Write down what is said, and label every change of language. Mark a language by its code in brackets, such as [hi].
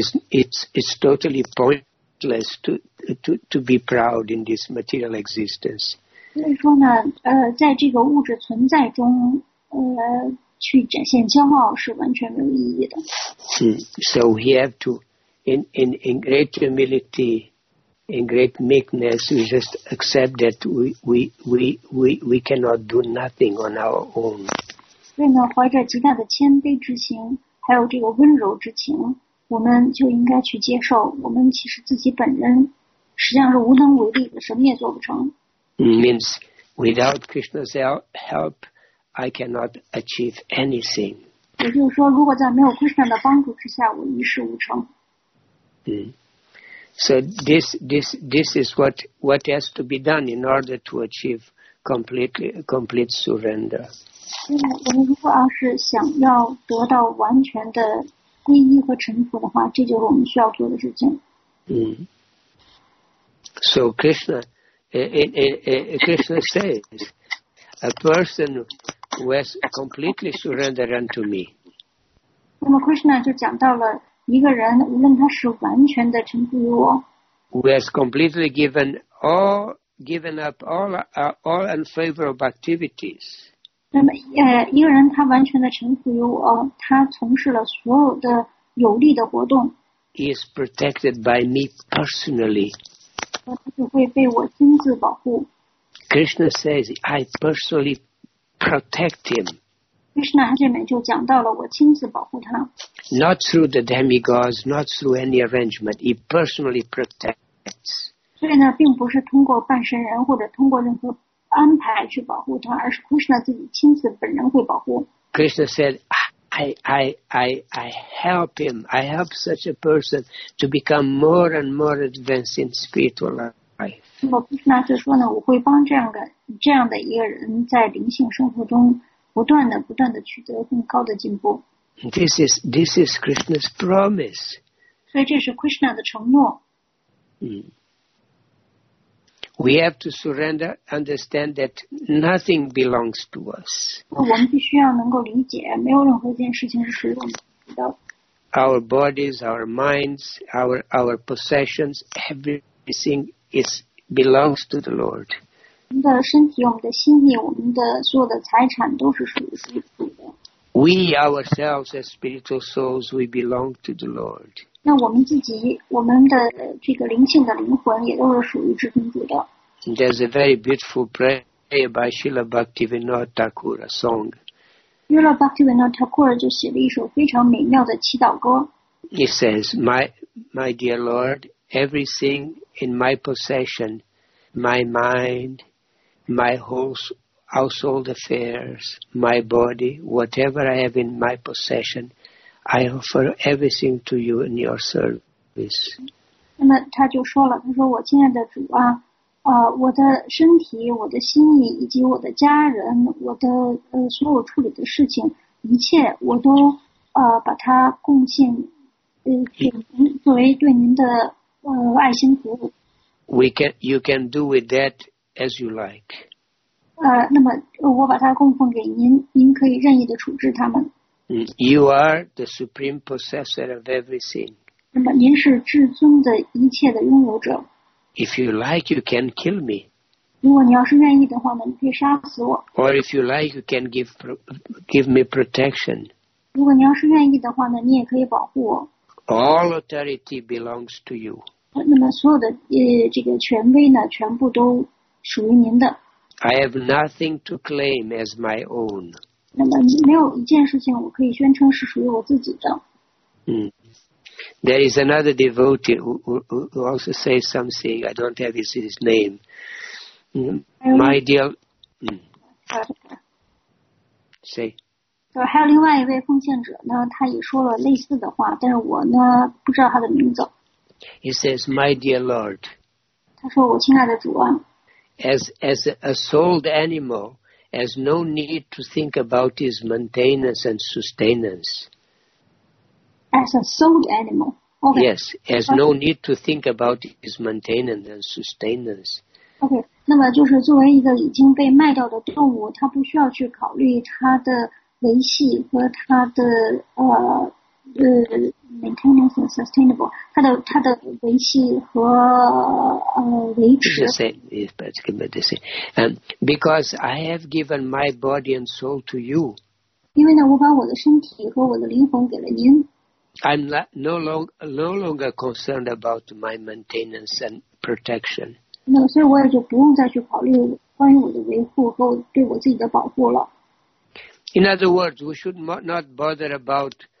[en] It's totally pointless to be proud in this material existence. [zh] 所以说呢，在这个物质存在中，去展现骄傲是完全没有意义的。 [en] So we have to in great humility, in great meekness, we just accept that we cannot do nothing on our own. [zh] 所以呢，怀着极大的谦卑之情，还有这个温柔之情。我们就应该去接受，我们其实自己本人实际上是无能为力的，什么也做不成。 [en] Means without Krishna's help, I cannot achieve anything. [zh] 也就是说，如果在没有 Krishna 的帮助之下，我一事无成。 [en] So this is what has to be done in order to achieve complete surrender. [zh] 因为我们如果要是想要得到完全的皈依和臣服的话，这就是我们需要做的事情。 [en] So Krishna says, a person who has completely surrendered unto me. [zh] 那么 Krishna 就讲到了一个人，无论他是完全的臣服于我。 [en] Who has completely given up all unfavorable activities. [zh] 那么一个人他完全的臣服于我，他从事了所有的有利的活动。 [en] He is protected by me personally. [zh] 他就会被我亲自保护。 [en] Krishna says, I personally protect him. [zh] Krishna 他这边就讲到了我亲自保护他。 [en] Not through the demigods, not through any arrangement. He personally protects. [zh] 所以呢，并不是通过半神人或者通过任何安排去保护他，而是 Krishna 自己亲自本人会保护。 [en] Krishna said, I help him. I help such a person to become more and more advanced in spiritual life. [zh] 那么 Krishna 就说呢，我会帮这样的一个人在灵性生活中不断的取得更高的进步。 [en] This is Krishna's promise. [zh] 所以这是 Krishna 的承诺。 [en] We have to surrender, understand that nothing belongs to us. [zh] 我们必须要能够理解，没有任何一件事情是属于我们的。 [en] Our bodies, our minds, our possessions, everything is belongs to the Lord. [zh] 我们的身体、我们的心意、我们的所有的财产都是属于自己的。 [en] We ourselves as spiritual souls, we belong to the Lord. [zh] 那我们自己，我们的这个灵性的灵魂也都是属于至尊主的。 [en] There's a very beautiful prayer by Srila Bhaktivinoda Thakur, a song. [zh] Srila Bhaktivinoda Thakur 就写了一首非常美妙的祈祷歌。 [en] He says, My dear Lord, everything in my possession, my mind, my whole household affairs, my body, whatever I have in my possession, I offer everything to you in your service. [zh] 那么他就说了，他说我亲爱的主啊，我的身体、我的心意以及我的家人、我的所有处理的事情，一切我都把它贡献，给您作为对您的爱心服务。 [en] You can do with that as you like. [zh] 那么我把它供奉给您，您可以任意的处置它们。 [en] You are the supreme possessor of everything. [zh] 那么您是至尊的一切的拥有者。 [en] If you like, you can kill me. [zh] 如果你要是愿意的话呢，你可以杀死我。 [en] Or if you like, you can give me protection. [zh] 如果你要是愿意的话呢，你也可以保护我。 [en] All authority belongs to you. [zh] 那么所有的这个权威呢，全部都属于您的。 [en] I have nothing to claim as my own. [zh] 那么没有一件事情我可以宣称是属于我自己的。 [en] There is another devotee who also says something. I don't have his name. My dear. Say. [zh] 就还有另外一位奉献者呢，他也说了类似的话，但是我呢不知道他的名字。 [en] He says, "My dear Lord." [zh] 他说我亲爱的主啊。 [en] As a souled animal has no need to think about his maintenance and sustenance. As a souled animal. Okay. Yes, has no need to think about his maintenance and sustenance. Okay. [zh] 那么就是作为一个已经被卖掉的动物，它不需要去考虑它的维系和它的 [en] maintenance and sustainable, [zh] 它的维系和维持。 [en] Because I have given my body and soul to you. [zh] 因为呢，我把我的身体和我的灵魂给了您。 [en] I'm no longer concerned about my maintenance and protection. [zh] 那所以我也就不用再去考虑关于我的维护和对我自己的保护了。 [en] In other words, we should not bother about.